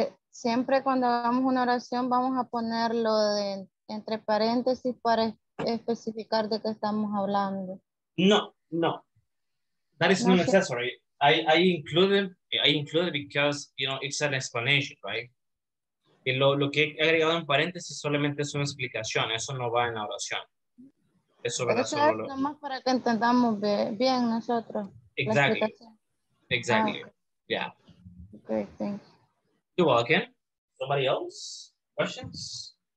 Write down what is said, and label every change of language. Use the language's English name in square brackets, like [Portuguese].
[Spanish] Siempre cuando hagamos una oración vamos a ponerlo de, entre paréntesis para especificar de qué estamos hablando. [English] No, no. That is not necessary. I included because, you know, it's an explanation, right? [Spanish] Y lo que he agregado en paréntesis solamente es una explicación. Eso no va en la oración. Eso va solo. Es nomás para que entendamos bien nosotros. [English] Exactly. Exactly. Ah. Yeah. Okay, thanks. You're welcome. Somebody else? Questions?